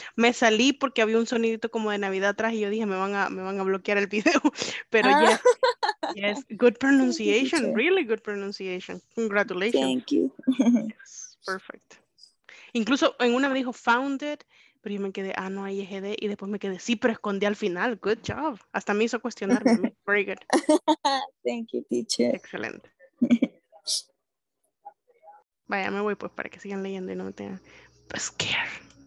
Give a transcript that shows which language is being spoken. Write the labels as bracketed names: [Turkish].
[Spanish] Me salí porque había un sonidito como de Navidad atrás y yo dije, me van a bloquear el video. [English] Pero yes, yes, good pronunciation, you, really good pronunciation. Congratulations. Thank you. Perfect. [Spanish] Incluso en una me dijo [English] found it, [Spanish] pero yo me quedé, ah, no, hay EGD, y después me quedé, sí, pero escondí al final. [English] Good job. [Spanish] Hasta me hizo cuestionarme. [English] Very good. Thank you, teacher. [Spanish] Excelente. Vaya, me voy pues para que sigan leyendo y no me tengan scared.